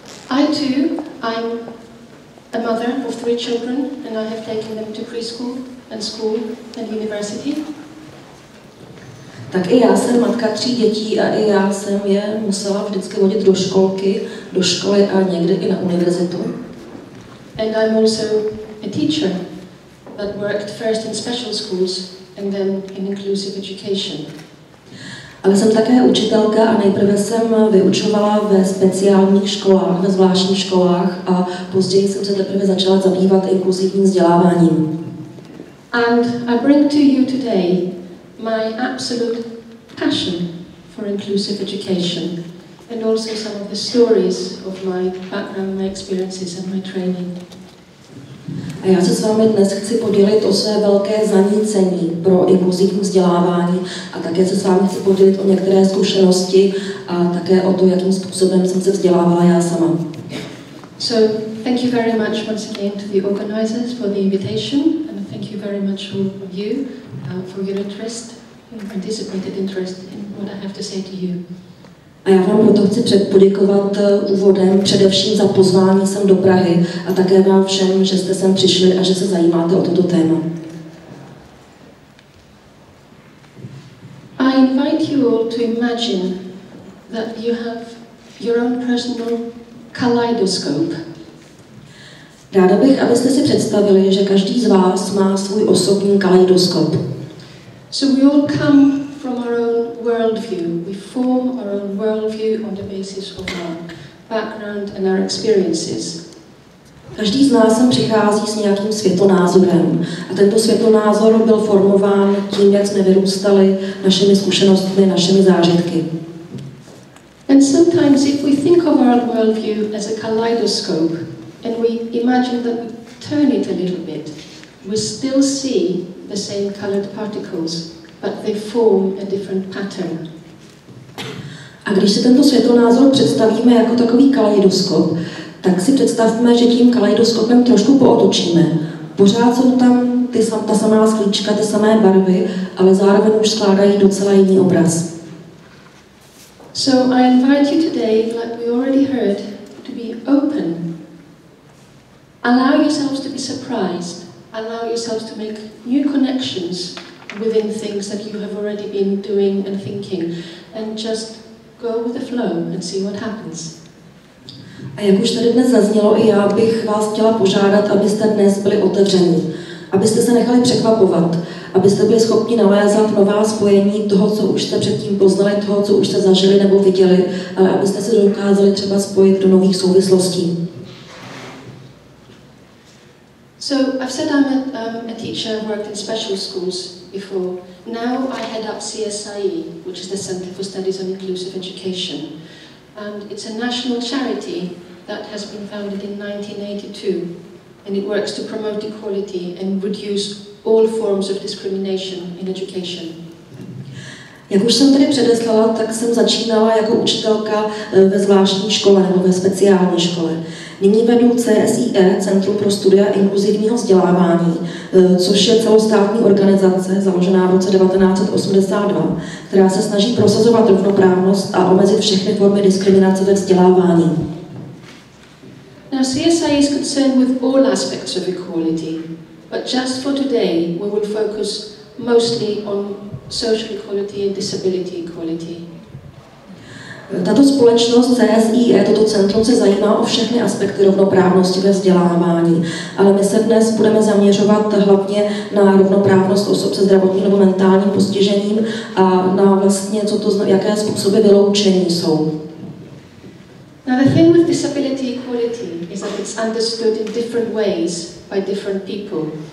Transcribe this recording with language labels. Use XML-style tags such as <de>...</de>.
<en>I too, I'm a mother of three children, and I have taken them to preschool and school and university.</en> <cs>Tak i já jsem matka tří dětí a i já jsem je musela vždycky vodit do školky, do školy a někdy i na univerzitu.</cs> <en>And I'm also a teacher that worked first in special schools and then in inclusive education.</en> <cs>Ale jsem také učitelka a nejprve jsem vyučovala ve speciálních školách, ve zvláštních školách a později jsem se teprve začala zabývat inkluzivním vzděláváním.</cs> <en>And I bring to you today my absolute passion for inclusive education and also some of the stories of my background, my experiences and my training.</en> <cs>A já se s vámi dnes chci podělit o své velké zanícení pro inkluzivní vzdělávání a také se s vámi chci podělit o některé zkušenosti a také o to, jakým způsobem jsem se vzdělávala já sama.</cs> <en>So, thank you very much once again to the organizers for the invitation and thank you very much all of you for your interest, your anticipated interest in what I have to say to you.</en> <cs>A já vám proto chci poděkovat úvodem především za pozvání sem do Prahy a také vám všem, že jste sem přišli a že se zajímáte o toto téma.</cs> <en>I invite you all to imagine that you have your own personal kaleidoscope.</en> <cs>Ráda bych, abyste si představili, že každý z vás má svůj osobní kaleidoskop.</cs> <en>So we all come from our own worldview. We form our own worldview on the basis of our background and our experiences.</en> <cs>Každý z nás sem přichází s nějakým světonázorem a tento světonázor byl formován tím, jak jsme vyrůstali, našimi zkušenostmi, našimi zážitky.</cs> <en>And sometimes if we think of our worldview as a kaleidoscope and we imagine that we turn it a little bit, we still see the same colored particles. But they form a different pattern.</en> <cs>A když si tento světonázor představíme jako takový kaleidoskop, tak si představme, že tím kaleidoskopem trošku pootočíme. Pořád jsou tam ta samá sklíčka, ty samé barvy, ale zároveň už skládají docela jiný obraz.</cs> <en>So I invite you today, like we already heard, to be open. Allow yourselves to be surprised. Allow yourselves to make new connections within things that you have already been doing and thinking and just go with the flow and see what happens.</en> <cs>A jak už tady dnes zaznělo, i já bych vás chtěla požádat, abyste dnes byli otevření, abyste se nechali překvapovat, abyste byli schopni navázat nová spojení toho, co už jste předtím poznali, toho, co už jste zažili nebo viděli, ale abyste se dokázali třeba spojit do nových souvislostí.</cs> <en>So, I've said I'm a teacher, I've worked in special schools before. Now I head up CSIE, which is the Center for Studies on Inclusive Education. And it's a national charity that has been founded in 1982. And it works to promote equality and reduce all forms of discrimination in education.</en> <cs>Jak už jsem tady předeslala, tak jsem začínala jako učitelka ve zvláštní škole nebo ve speciální škole. Nyní vedu CSIE, Centrum pro studia inkluzivního vzdělávání, což je celostátní organizace založená v roce 1982, která se snaží prosazovat rovnoprávnost a omezit všechny formy diskriminace ve vzdělávání.</cs> <en>Now CSIE is concerned with all aspects of equality, but just for today we will focus mostly on social equality and disability equality.</en> <cs>Tato společnost CSIE, toto centrum, se zajímá o všechny aspekty rovnoprávnosti ve vzdělávání, ale my se dnes budeme zaměřovat hlavně na rovnoprávnost osob se zdravotním nebo mentálním postižením a na vlastně, co to, jaké způsoby vyloučení jsou.</cs> <en>Now the thing with disability equality is that it's understood in different ways by different people.</en>